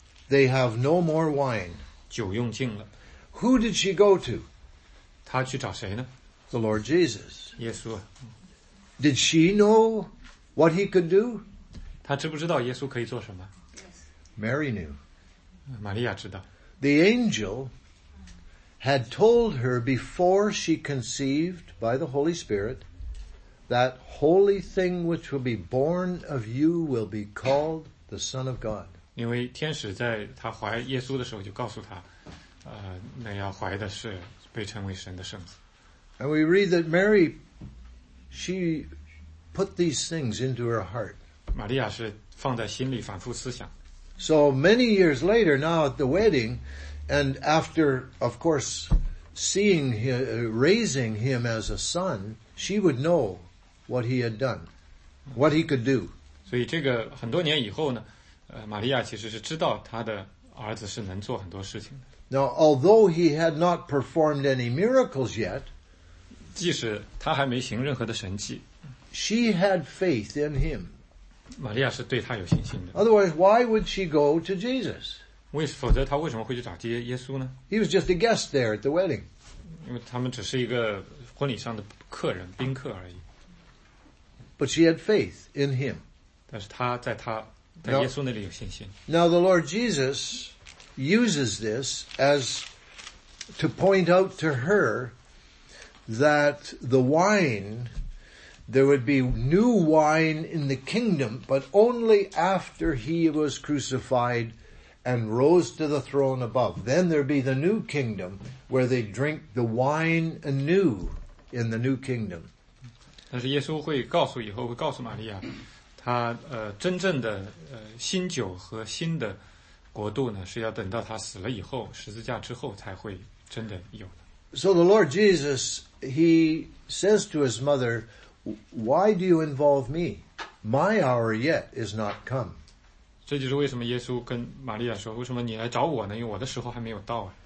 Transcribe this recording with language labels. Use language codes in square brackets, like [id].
[en] They have no more wine. [zh] 酒用尽了。 [en] Who did she go to? [zh] 她去找谁呢? [en] The Lord Jesus. [zh] 耶稣。 [en] Did she know what he could do? [zh] 她知不知道耶稣可以做什么? [en] Mary knew. [zh] 玛利亚知道。 [en] The angel had told her before she conceived by the Holy Spirit that holy thing which will be born of you will be called the Son of God. [zh] 因为天使在他怀耶稣的时候就告诉他那要怀的是被称为神的圣子。 [en] And we read that Mary, she put these things into her heart. [zh] 玛利亚是放在心里反复思想。 [en] So many years later, now at the wedding, and after, of course, seeing him, raising him as a son, she would know what he had done, what he could do. [zh] 所以这个很多年以后呢，玛利亚其实是知道他的儿子是能做很多事情的。 [en] Now, although he had not performed any miracles yet, [zh] 即使他还没行任何的神迹， [en] she had faith in him. [zh] 玛利亚是对他有信心的。 [en] Otherwise, why would she go to Jesus? [zh] 否则他为什么会去找耶稣呢? [en] He was just a guest there at the wedding. [zh] 因为他们只是一个婚礼上的客人,宾客而已。 [en] But she had faith in him. [zh] 但是他在他,在耶稣那里有信心。 [en] Now the Lord Jesus uses this as to point out to her that the wine, there would be new wine in the kingdom, but only after he was crucified and rose to the throne above. Then there'd be the new kingdom where they drink the wine anew in the new kingdom. [zh] 但是耶稣会告诉以后会告诉玛利亚他真正的新酒和新的国度呢是要等到他死了以后十字架之后才会真的有的。 [en] So the Lord Jesus, he says to his mother, why do you involve me? My hour yet is not come. [zh] 这就是为什么耶稣跟玛利亚说为什么你来找我呢因为我的时候还没有到、啊。